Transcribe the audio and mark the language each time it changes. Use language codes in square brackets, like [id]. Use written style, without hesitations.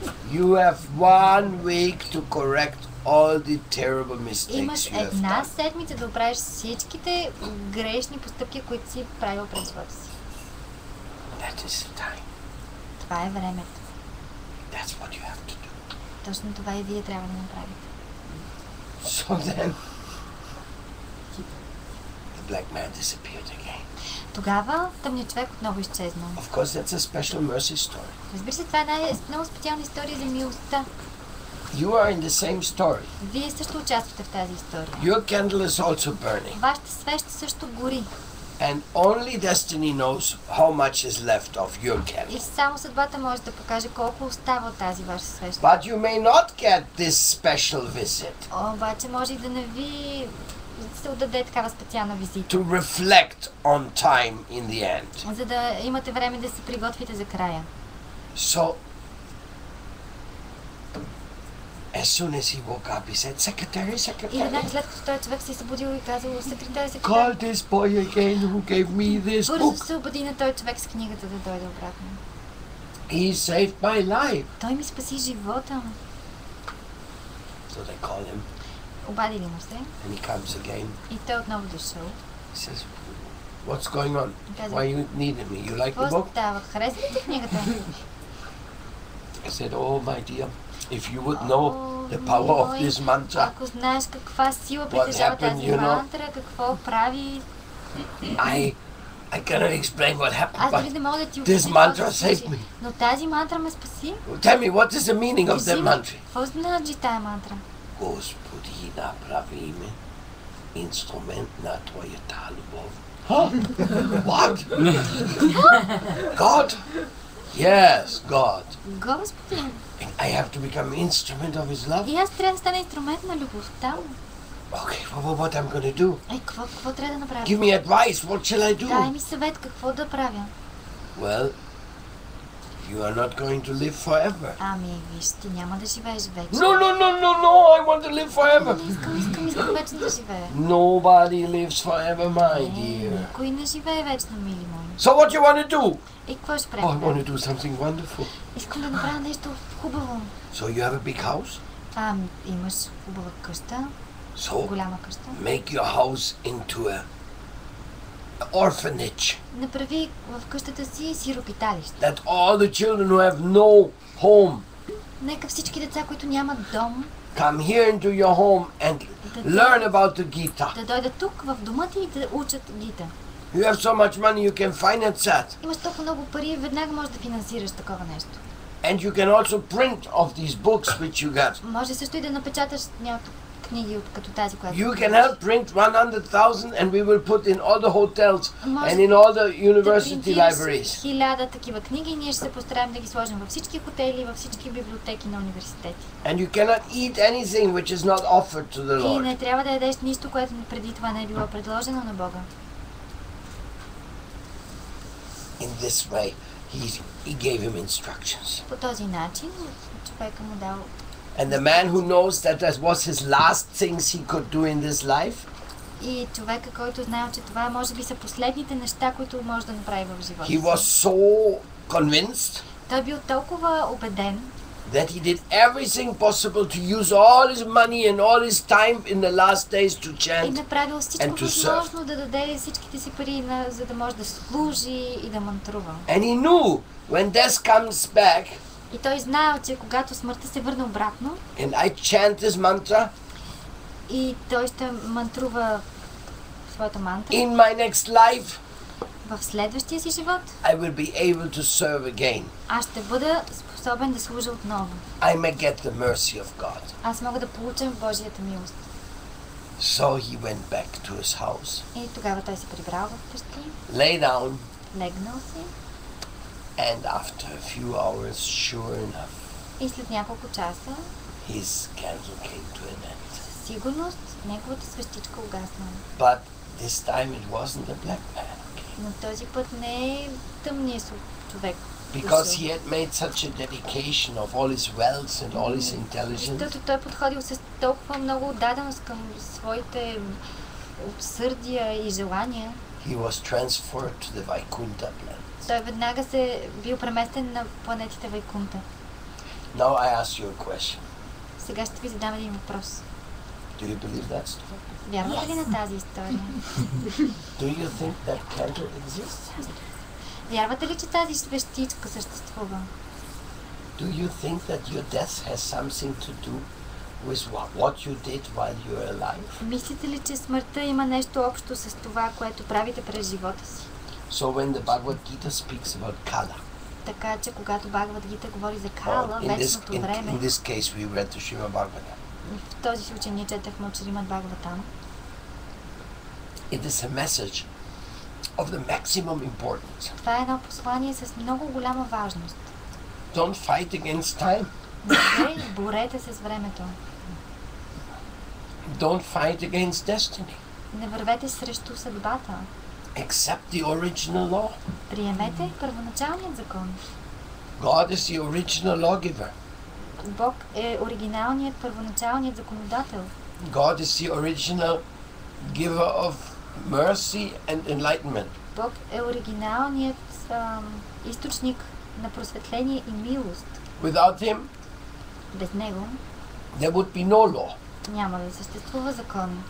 [en] You have 1 week to correct all the terrible mistakes you have done. [bg] Имаш една седмица да оправиш всичките грешни постъпки, които си правил през живота си. [en] That is the time. [bg] Това е времето. [en] That's what you have to do. [bg] Точно това и вие трябва да направите. [en] So then, the black man disappeared again. [bg] Тогава тъмният човек отново изчезна. [en] Of course, that's a special mercy story. [bg] Разбира се, това е много специална история за милостта. [en] You are in the same story. [bg] Вие също участвате в тази история. [en] Your candle is also burning. [bg] Вашата свещ също гори. [en] And only destiny knows how much is left of your candle. [bg] И само съдбата може да покаже колко остава от тази ваша свещ. [en] But you may not get this special visit. [bg] Обаче може и да не ви се отдаде такава специална визита. [en] To reflect on time in the end. [bg] За да имате време да се приготвите за края. [en] So as soon as he woke up, he said, "Secretary, secretary." Call this boy again who gave me this book. He saved my life. [bg] Той ми спаси живота. [en] So they call him. [bg] Обадили му се. [en] And he comes again. [bg] И той отново дошъл. [en] He says, "What's going on? Why you need me? You like the book?" [bg] Става, харесва ти книгата. [en] I said, "Oh, my dear." If you would know the power of this mantra, [bg] ако знаеш каква сила притежава тази мантра, какво прави? [en] I cannot explain what happened. [bg] Аз не мога да ти [en] This mantra saved me. [bg] Но тази мантра ме спаси. [en] Tell me what is the meaning of that mantra? [bg] Какво значи тази мантра? Господи, направи ме инструмент на твоята любов. [en] What? God? Yes, God. [bg] Господи. [en] I have to become instrument of his love. [bg] И аз трябва да стана инструмент на любовта му. [en] Okay, what I'm going to do? [bg] Ай, какво трябва да направя? [en] Give me advice, what shall I do? [bg] Дай ми съвет, какво да правя? [en] Well, you are not going to live forever. [bg] Ами, виж, ти няма да живееш вече. [en] No, I want to live forever. [bg] Искам вечно да живея. [en] Nobody lives forever, my dear. [bg] Никой не живее вечно, мили мой. [en] So what you want to do? [bg] И какво ще правя? [en] Oh, I want to do something wonderful. [bg] Искам да направя нещо хубаво. [en] So you have a big house? [bg] Имаш хубава къща. [en] So [bg] голяма къща. [en] Make your house into a orphanage. [bg] Направи в къщата си сиропиталище. [en] That all the children who have no home. [bg] Нека всички деца, които нямат дом. [en] Come here into your home and learn about the Gita. [bg] Да дойдат тук в дома ти и да учат Гита. [en] You have so much money, you can finance that. [bg] Имаш толкова много пари, веднага можеш да финансираш такова нещо. [en] And you can also print of these books which you got. [bg] Може също и да напечаташ някои книги от като тази, която. [en] You can help print 100,000 and we will put in all the hotels and in all the university libraries. [bg] 1000 такива книги, ние ще се постараем да ги сложим във всички хотели, във всички библиотеки на университети. [en] And you cannot eat anything which is not offered to the Lord. [bg] И не трябва да ядеш нищо, което преди това не е било предложено на Бога. [en] In this way, he gave him instructions. [bg] По този начин човека му дал. [en] And the man who knows that that was his last things he could do in this life. [bg] И човека, който знае, че това може би са последните неща, които може да направи в живота. [en] He was so convinced. [bg] Той бил толкова убеден. [en] That he did everything possible to use all his money and all his time in the last days to chant and to serve. [bg] И направил всичко възможно да даде всичките си пари, за да може да служи и да мантрува. [en] And he knew when death comes back. [bg] И той знаел, че когато смъртта се върне обратно. [en] And I chant this mantra. [bg] И той ще мантрува своята мантра. [en] In my next life. [bg] В следващия си живот. [en] I will be able to serve again. [bg] Аз ще бъда способен да служа отново. [en] I may get the mercy of God. [bg] Аз мога да получам Божията милост. [en] So he went back to his house. [bg] И тогава той се прибрал в къщи. [en] Lay down. [bg] Легнал си. [en] And after a few hours, sure enough, [bg] и след няколко часа, [en] his candle came to an end. [bg] Сигурност, неговата свещичка угасна. [en] But this time it wasn't a black man. [bg] Но този път не е тъмният човек. [en] Because he had made such a dedication of all his wealth and all his intelligence. [bg] Защото той подходил с толкова много отдаденост към своите усърдия и желания. [en] He was transferred to the Vaikuntha planet. [bg] Той веднага се бил преместен на планетите Вайкунта. [en] Now I ask you a question. [bg] Сега ще ви задам един въпрос. [en] Do you believe that story? [bg] Вярвате ли на тази история? [en] Do you think that candle exists? [bg] Вярвате ли, че тази свещичка съществува? [en] Do you think that your death has something to do with what you did while you're alive? [bg] Мислите ли, че смъртта има нещо общо с това, което правите през живота си? [en] So when the Bhagavad Gita speaks about kala. [bg] Така че когато Бхагавад Гита говори за кала, вечното време. [en] In this case we read the Shrimad Bhagavatam. [bg] В този случай ние четахме от Шримад Бхагаватам. [en] It is a message of the maximum importance. [bg] Това е едно послание с много голяма важност. [en] Don't fight against time. [bg] Не борете се с времето. [en] Don't fight against destiny. [bg] Не вървете срещу съдбата. [en] Accept the original law. [bg] Приемете първоначалния закон. [en] God is the original lawgiver. [bg] Бог е оригиналният първоначалният законодател. [en] God is the original giver of mercy and enlightenment. [bg] Бог е оригиналният източник на просветление и милост. [en] Without him, [bg] без него, [en] there would be no law. [bg] Няма да съществува закон.